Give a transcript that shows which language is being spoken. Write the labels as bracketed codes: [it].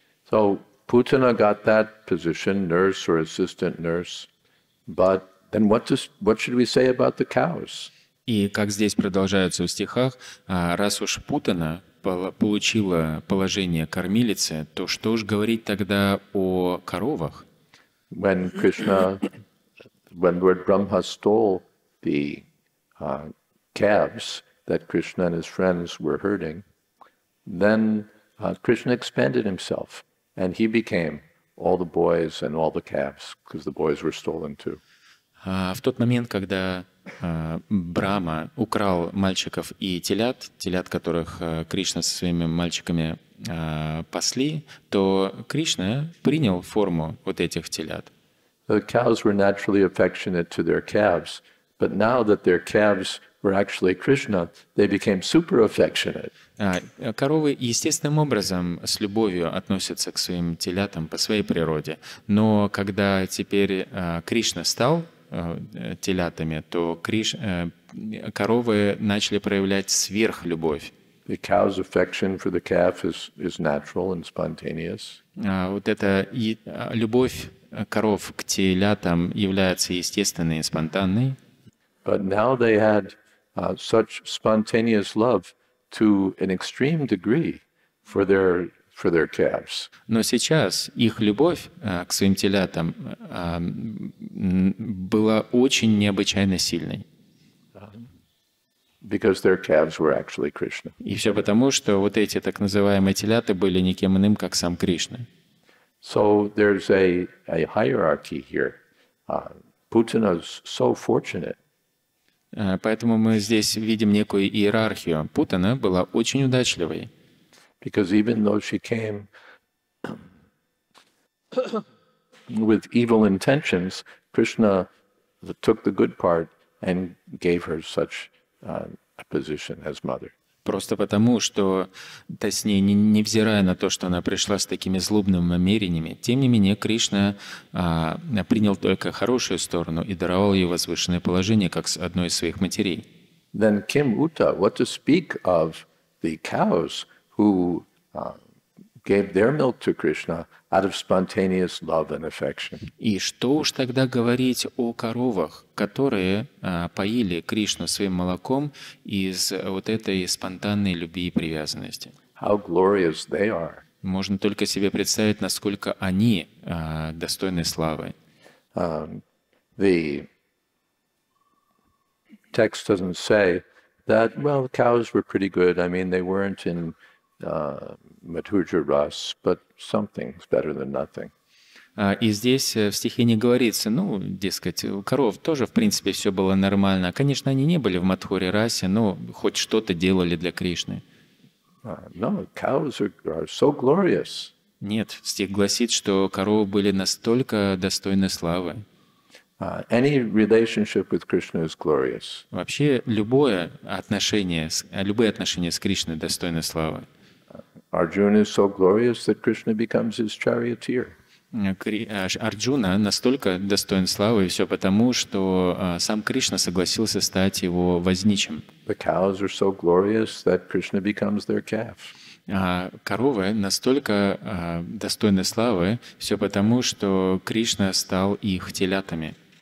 [en] So Putana got that position, nurse or assistant nurse. But then what should we say about the cows? [ru] И как здесь продолжается в стихах, раз уж Путана получила положение кормилицы, то что уж говорить тогда о коровах? [en] When Krishna, when Lord Brahma stole the calves that Krishna and his friends were herding. Then Krishna expanded himself, and he became all the boys and all the calves, because the boys were stolen too. [ru] В тот момент, когда Брама украл мальчиков и телят, телят которых Кришна со своими мальчиками пасли, то Кришна принял форму вот этих телят. [en] The cows were naturally affectionate to their calves, but now that their calves were actually Krishna, they became super affectionate. [ru] Коровы естественным образом с любовью относятся к своим телятам по своей природе. Но когда теперь Кришна стал телятами, то коровы начали проявлять сверхлюбовь. [en] The cow's affection for the calf is natural and spontaneous. [ru] Вот эта любовь коров к телятам является естественной и спонтанной. [en] But now they had such spontaneous love to an extreme degree for their calves. [ru] Но сейчас их любовь к своим телятам была очень необычайно сильной. [en] Because their calves were actually Krishna. [ru] И все потому, что вот эти так называемые теляты были никем иным, как сам Кришна. [en] So there's a hierarchy here. Putana's so fortunate. [ru] Поэтому мы здесь видим некую иерархию. Путана была очень удачливой. [en] Because even though she came with evil intentions, Krishna took the good part and gave her such a position as mother. [ru] Просто потому, что, точнее, невзирая на то, что она пришла с такими злобными намерениями, тем не менее Кришна принял только хорошую сторону и даровал ей возвышенное положение, как одной из своих матерей. [en] Then Kim Uta, what to speak of the cows who gave their milk to Krishna out of spontaneous love and affection. [ru] И что уж тогда говорить о коровах, которые поили Кришну своим молоком из вот этой спонтанной любви и привязанности. [en] How glorious they are. [ru] Можно только себе представить, насколько они достойны славы. [en] The text doesn't say that, well, cows were pretty good. I mean, they weren't in Матхурджа Рас, but something's better than nothing. [ru] И здесь в стихе не говорится, ну, дескать, у коров тоже, в принципе, все было нормально. Конечно, они не были в Матхуре Расе, но хоть что-то делали для Кришны. [en] No, cows are so glorious. [ru] Нет, стих гласит, что коровы были настолько достойны славы. [en] Any relationship with Krishna is glorious. [ru] Вообще любые отношения с Кришной достойны славы. [en] Arjuna is so glorious that Krishna becomes his charioteer. [ru] Арджуна настолько достоин славы, и все потому, что сам Кришна согласился стать его возничим. [en] The cows are so glorious that Krishna becomes their calf. [ru] А коровы настолько достойны славы, все потому, что Кришна стал их телятами.